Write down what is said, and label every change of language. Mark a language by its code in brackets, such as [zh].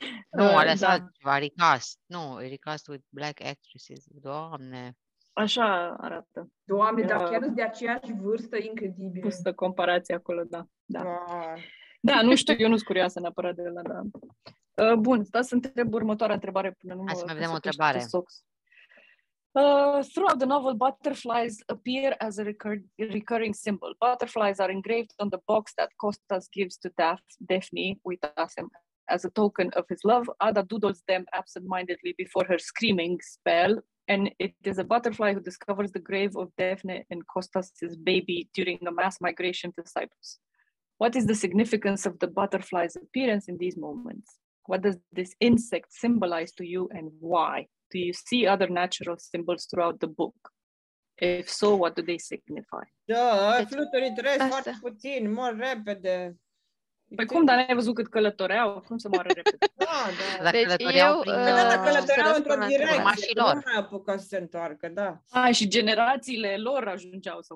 [ro] Nu, a lăsat ceva, recast. Nu, [en] recast with black actresses. [ro] Doamne. Așa arată. Doamne, dar chiar de aceeași vârstă, incredibil. Pusă comparație acolo, da. Da, da, nu știu, eu nu sunt curioasă neapărat de ăla, da. Bun, stai să întreb următoarea întrebare până nu mă... Hai să mai vedem o întrebare. [en] Throughout the novel, butterflies appear as a recurring symbol. Butterflies are engraved on the box that Costas gives to Daphne with Asim as a token of his love. Ada doodles them absent-mindedly before her screaming spell. And it is a butterfly who discovers the grave of Daphne and Costas's baby during the mass migration to Cyprus. What is the significance of the butterfly's appearance in these moments? What does this insect symbolize to you and why? Do you see other natural symbols throughout the book? If so, what do they signify? [ro] Da, fluturii trăiesc foarte puțin, mor repede. Păi cum, dar n-ai văzut cât călătoreau? Cum se moară repede? Da, da. Deci călătoreau într-o direcție. Mașilor. Nu mai apucă să se întoarcă, da. A, și generațiile lor ajungeau să...